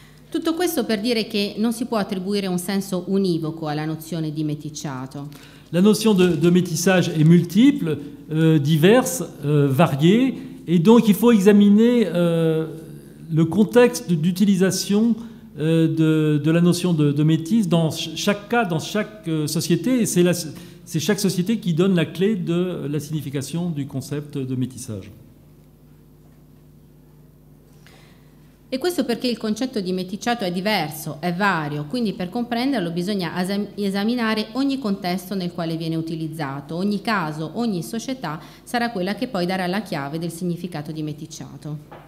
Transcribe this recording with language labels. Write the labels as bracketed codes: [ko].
[it] Tutto questo per dire che non si può attribuire un senso univoco alla nozione di meticciato. [fr] La notion de métissage est multiple, diverse, variée, et donc il faut examiner le contexte d'utilisation de la notion de métis dans chaque cas, dans chaque société, et c'est chaque société qui donne la clé de la signification du concept de métissage. [it] E questo perché il concetto di meticciato è diverso, è vario, quindi per comprenderlo bisogna esaminare ogni contesto nel quale viene utilizzato, ogni caso, ogni società sarà quella che poi darà la chiave del significato di meticciato.